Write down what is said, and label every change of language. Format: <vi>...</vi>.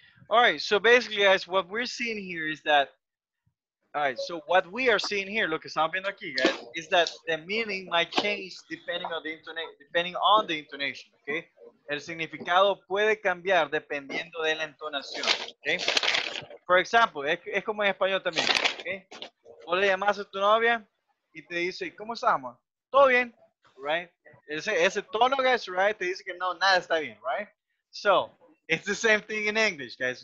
<en>All right, so basically, guys, what we're seeing here is that, all right, so what we are seeing here,</en> <es>lo que estamos viendo aquí,</es> <en>guys, is that the meaning might change depending on the intonation, okay?</en> <es>El significado puede cambiar dependiendo de la entonación, okay?</es> <en>For example,</en> <es>es como en español también, okay? Vos le llamas a tu novia y te dice, ¿cómo estamos? Todo bien, right? Ese tono, guys, right, te dice que no, nada está bien, right?</es> <en>So, it's the same thing in English, guys.</en>